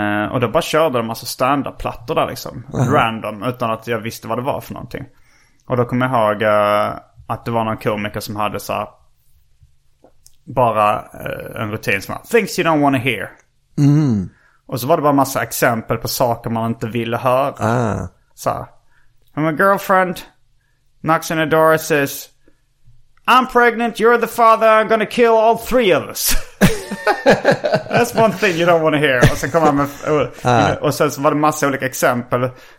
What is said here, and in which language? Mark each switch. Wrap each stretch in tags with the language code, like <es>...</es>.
<sv>Och då bara körde de alltså stand-up-plattor där liksom, random, utan att jag visste vad det var för någonting. Och då kom jag ihåg att det var någon komiker som hade så bara en rutin som var</sv> <en>"Things you don't wanna hear."</en> <sv>Mm. Och så var det bara massa exempel på saker man inte ville höra.</sv> <en>Så "I'm a girlfriend, knocks on the door, says I'm pregnant, you're the father, I'm gonna kill all three of us." "That's one thing you don't want to hear."</en> <sv>Och sen kom han med, och sen så var det massa olika exempel.</sv>